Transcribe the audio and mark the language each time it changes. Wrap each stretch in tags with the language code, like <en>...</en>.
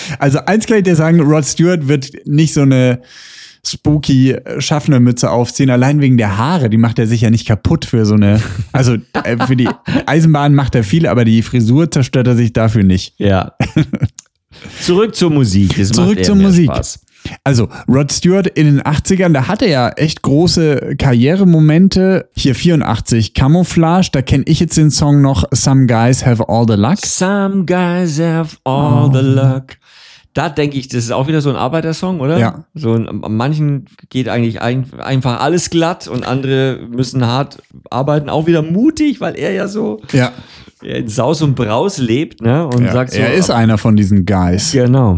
<de>Also eins kann ich dir sagen, Rod Stewart wird nicht so eine spooky Schaffnermütze aufziehen, allein wegen der Haare, die macht er sich ja nicht kaputt für so eine, also für die Eisenbahn macht er viel, aber die Frisur zerstört er sich dafür nicht. Ja. Zurück zur Musik. Spaß. Also Rod Stewart in den 80ern, da hatte er ja echt große Karrieremomente. Hier 84, Camouflage, da kenne ich jetzt den Song noch, Some Guys Have All The Luck.</de> <en>Some guys have all the luck.</en> <de>Da denke ich, das ist auch wieder so ein Arbeitersong, oder? Ja. So manchen geht eigentlich einfach alles glatt und andere müssen hart arbeiten. Auch wieder mutig, weil er ja so in Saus und Braus lebt, ne? Und sagt so, er ist einer von diesen Guys. Genau.</de>